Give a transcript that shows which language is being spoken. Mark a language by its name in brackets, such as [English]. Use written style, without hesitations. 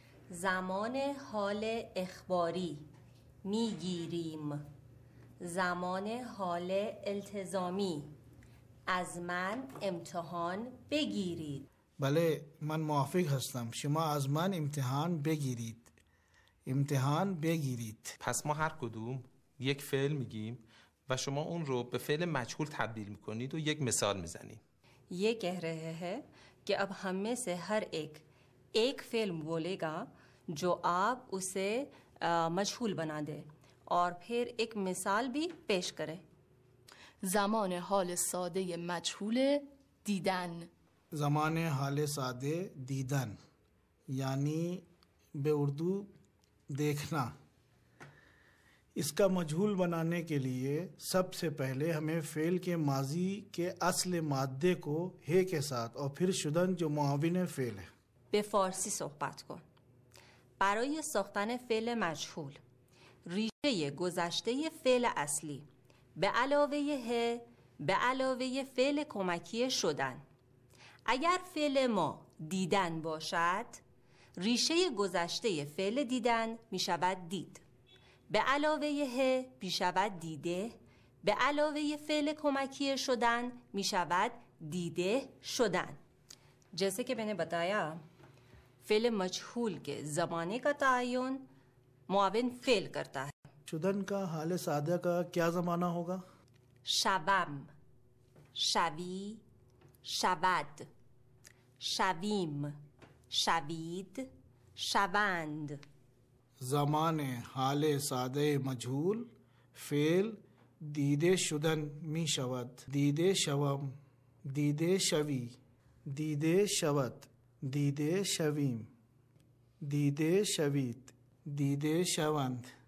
[Persian] زمان حال اخباری میگیریم، زمان حال التزامی از من امتحان بگیرید. بله من موافق هستم، شما از من امتحان بگیرید، امتحان بگیرید. پس ما هر کدوم یک فعل میگیم و شما اون رو به فعل مجهول تبدیل میکنید و یک مثال میزنید. [Urdu] یه کہہ رہے ہے کہ اب ہم میں سے ہر ایک فعل بولے گا جو آپ اسے مجهول بنا دے اور پھر ایک مثال بھی پیش کرے. [Persian] زمان حال ساده مجهول دیدن، زمان حال ساده دیدن یعنی به اردو دیکھنا. [Urdu] اس کا مجهول بنانے کے لیے سب سے پہلے ہمیں فعل کے ماضی کے اصل مادے کو ہے کے ساتھ اور پھر شدن جو معاون فعل ہے. [Persian] به فارسی صحبت کن. برای ساختن فعل مجهول ریشه گذشته فعل اصلی به علاوه ه به علاوه فعل کمکی شدن. اگر فعل ما دیدن باشد ریشه گذشته فعل دیدن می شود دید، به علاوه ه می شود دیده، به علاوه فعل کمکی شدن می شود دیده شدن. [Urdu] جیسے که میں نے بتایا فعل مجهول کے زمانے کا تعین معاون فعل کرتا ہے. شدن کا حال ساده کا کیا زمانہ ہوگا؟ [Persian] شوم، شوی، شود، شویم، شوید، شوند. زمان حال ساده مجهول فعل دیده شدن می شود، دیده شوم، دیده شوی، دیده شود، دیده شویم، دیده شوید، دیده شوند.